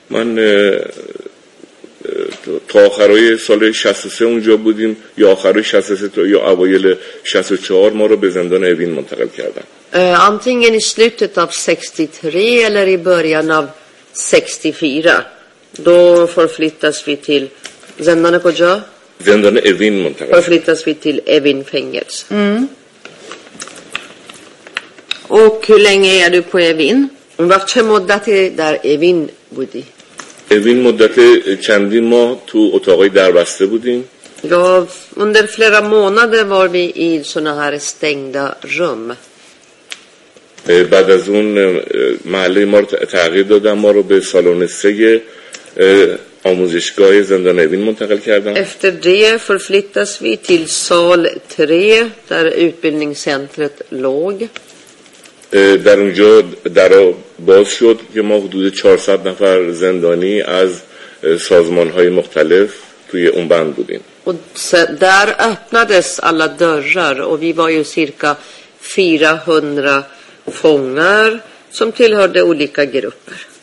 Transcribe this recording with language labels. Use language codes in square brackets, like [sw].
[fa] Man, تا آخرهای سال 63 اونجا بودیم یا آخرهای 63 تا یا اوایل 64 ما رو به زندان اوین منتقل کردن. [sv] Antingen i slutet av 63 eller i början av 64 då förflyttas vi till [fa] زندان کجا؟ زندان اوین منتقل. [sv] Förflyttas vi till اوین fängels. Mm. Och hur länge är du på اوین? [fa] وقت چه مدتی در اوین بودی؟ اوین مدت چندین ماه تو اتاقای دربسته بودیم. [sv] Under flera månader var vi i såna här stängda rum. [fa] بعد از اون محله ما رو تغییر دادن، ما رو به سالن 3 آموزشگاه زندان اوین منتقل کردن. [sv] Efter det förflyttas vi till sal 3 där utbildningscentret låg. [fa] در اونجا درا باز شد که ما حدود 400 نفر زندانی از سازمان‌های مختلف توی اون بند بودیم. و در [sv] öppnades alla dörrar och vi var ju cirka 400 fångar som tillhörde olika grupper.